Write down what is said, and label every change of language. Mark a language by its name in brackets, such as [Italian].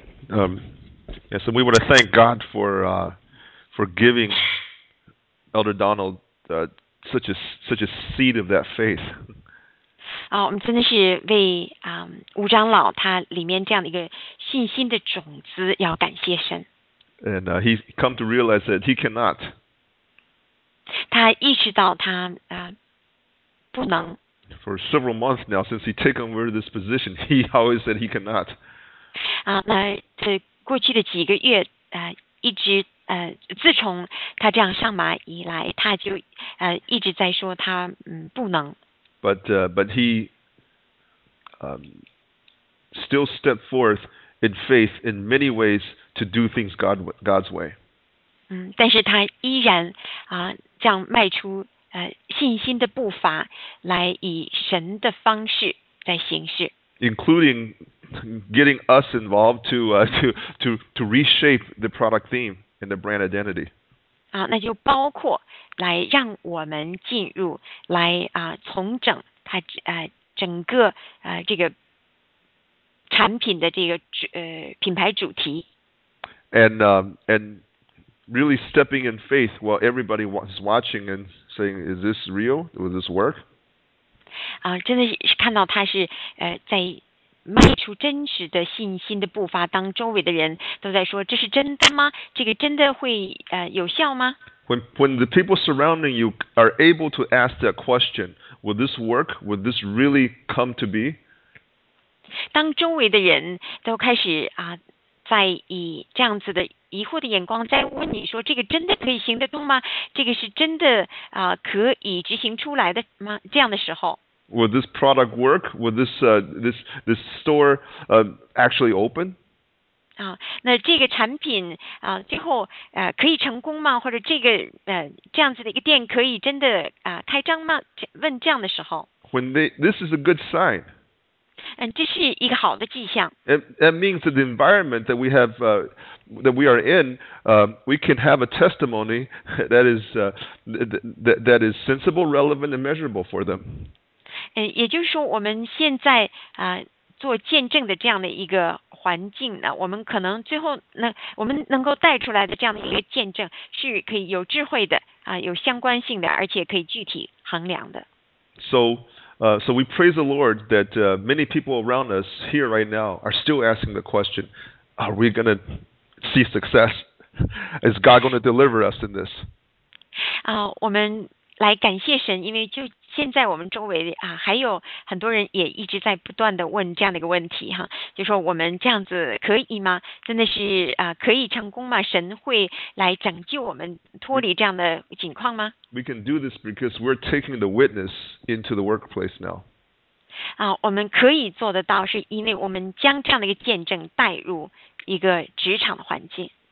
[English] Yes, and we want to thank God for giving Elder Donald such a seed of that faith. [Chinese] 我们真的是为吴长老他里面这样的一个信心的种子要感谢神。 [English] And he come to realize that he cannot. [Chinese] 他意识到他不能。 [English] For several months now, since he took over this position, he always said he cannot. [Chinese] 那这过去的几个月一直自从他这样上马以来，他就一直在说他不能。 [English] But he still stepped forth in faith in many ways to do things God's way. [Chinese] 但是他依然这样迈出信心的步伐，来以神的方式在行事。 [English] Including getting us involved to reshape the product theme and the brand identity. [Chinese] 那就包括来让我们进入来重整他整个这个产品的这个品牌主题。 [English] And really stepping in faith while everybody is watching and saying, is this real? Will this work? [Chinese] 真的是看到他是在迈出真实的信心的步伐，当周围的人都在说，这是真的吗？这个真的会有效吗？ [English] When the people surrounding you are able to ask that question, will this work? Will this really come to be? [Chinese] 当周围的人都开始在以这样子的疑惑的眼光在问你说，这个真的可以行得通吗？这个是真的可以执行出来的吗？这样的时候 [English] ，Will this product work? Will this this store actually open? [Chinese] 那这个产品最后可以成功吗？或者这个这样子的一个店可以真的开张吗？问这样的时候 [English] ，When this is a good sign。 [Chinese] 这是一个好的迹象。 [English] It means that the environment that we have that we are in, we can have a testimony that is that is sensible, relevant, and measurable for them. [Chinese] 也就是说，我们现在做见证的这样的一个环境呢，我们可能最后我们能够带出来的这样的一个见证是可以有智慧的有相关性的，而且可以具体衡量的。 [English] So we praise the Lord that many people around us here right now are still asking the question, are we going to see success? Is God going to deliver us in this? [Chinese] 我们来感谢神，因为就现在我们周围还有很多人也一直在不断地问这样的一个问题哈，就说我们这样子可以吗？真的是可以成功吗？神会来拯救我们脱离这样的境况吗？ [English] We can do this because we're taking the witness into the workplace now. [Chinese] 我们可以做得到，是因为我们将这样的一个见证带入一个职场的环境。